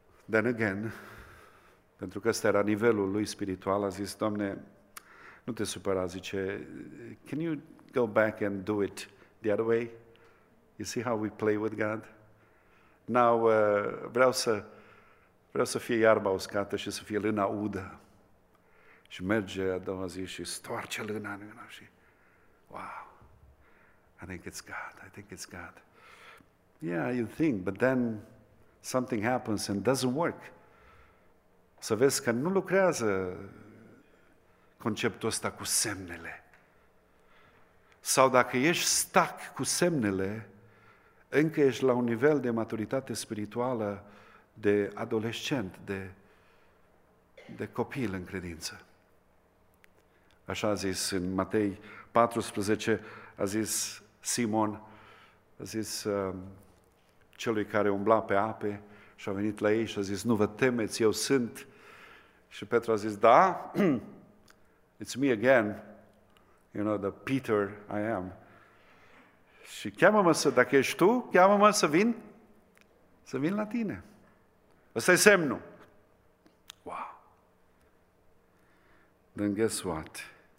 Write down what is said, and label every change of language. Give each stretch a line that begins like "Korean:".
English: Then again,
Romanian: pentru că ăsta era nivelul lui spiritual, a zis, Doamne, nu te supăra, zice,
English: can you go back and do it the other way? You see how we play with God?
Romanian: N-au, vreau să fie iarba uscată și să fie lâna udă. Și merge a doua zi și stoarce lâna în lână și
English: wow, I think it's God. Yeah, you think, but then something happens and doesn't work.
Romanian: Să vezi că nu lucrează conceptul ăsta cu semnele. Sau dacă ești stuck cu semnele, încă ești la un nivel de maturitate spirituală, de adolescent, de copil în credință. Așa a zis în Matei 14, a zis Simon, a zis celui care umbla pe ape și a venit la ei și a zis, nu vă temeți, eu sunt. Și Petru a zis, da,
English: it's me again, you know, the Peter I am.
Romanian: Și cheamă-mă să, dacă ești tu, cheamă-mă să vin la tine. Ăsta e semnul. Wow.
English: Then guess what?